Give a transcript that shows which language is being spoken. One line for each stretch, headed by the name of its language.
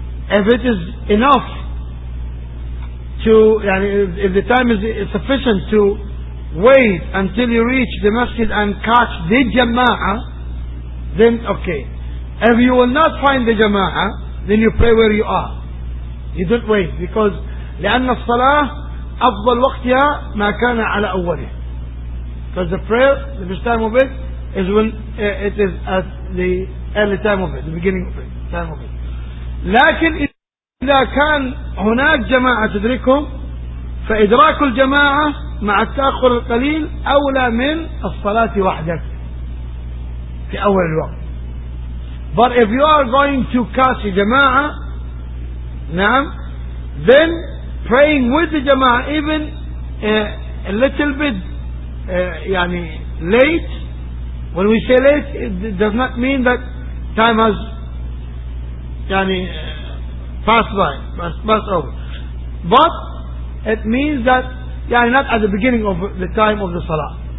English: If it is enough to يعني if the time is sufficient to wait until you reach the masjid and catch the jama'ah, then okay. If you will not find the jama'ah, then you pray where you are. You don't wait, because
Arabic: لأن الصلاة أفضل وقتها ما كان على أوله.
English: Because the prayer, the first time of it, is when it is at the early time of it, the beginning of it, time of it.
Arabic: لكن إذا كان هناك جماعة تدركهم, فإدراك الجماعة مع التأخر القليل أولى من الصلاة وحدك في أول الوقت.
English: But if you are going to catch a جماعة, نعم, then praying with the جماعة even a little bit يعني late, when we say late it does not mean that time has يعني passed over, but it means that يعني not at the beginning of the time of the salah.